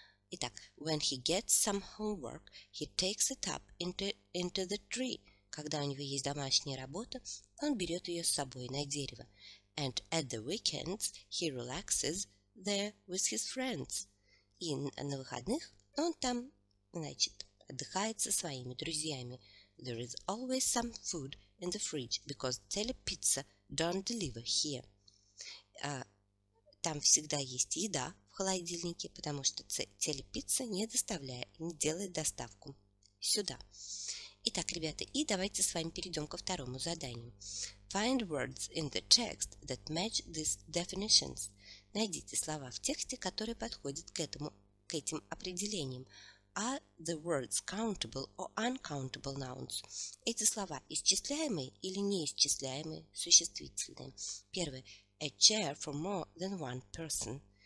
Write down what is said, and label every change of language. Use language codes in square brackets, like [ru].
[en] Итак, when he gets some homework, he takes it up into the tree. [ru] Когда у него есть домашняя работа, он берет ее с собой на дерево. [en] And at the weekends, he relaxes there with his friends. [ru] И на выходных он там, значит, отдыхает со своими друзьями. [en] There is always some food in the fridge, because Telepizza don't deliver here. [ru] Там всегда есть еда в холодильнике, потому что Telepizza не доставляет, не делает доставку сюда. Итак, ребята, и давайте с вами перейдем ко второму заданию. [en] Find words in the text that match these definitions. [ru] Найдите слова в тексте, которые подходят к этим определениям. [en] Are the words countable or uncountable nouns? [ru] Эти слова исчисляемые или неисчисляемые существительные? [en] Первое. A chair for more than one person.